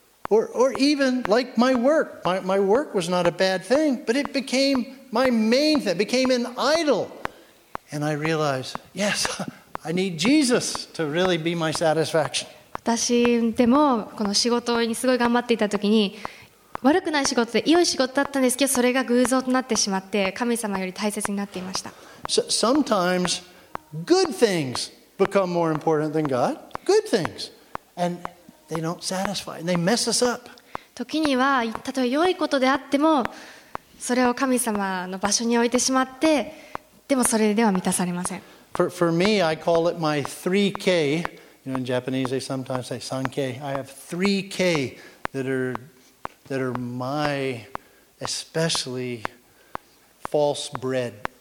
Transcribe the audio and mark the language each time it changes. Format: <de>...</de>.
<en>Or even like my work. My work was not a bad thing, but it became my main thing, became an idol. And I realized, yes, I need Jesus to really be my satisfaction.</en> <ja>私でもこの仕事にすごい頑張っていた時に、悪くない仕事で良い仕事だったんですけど、それが偶像となってしまって神様より大切になっていました。</ja> <en>Sometimes good things become more important than God. Good things, and they don't satisfy. They mess us up.</en> <ja>時にはたとえ良いことであっても、それを神様の場所に置いてしまって、でもそれでは満たされません。</ja> <en>For me, I call it my 3K. You know, in Japanese, they sometimes say 3K. I have 3K that are my especially false bread.</en>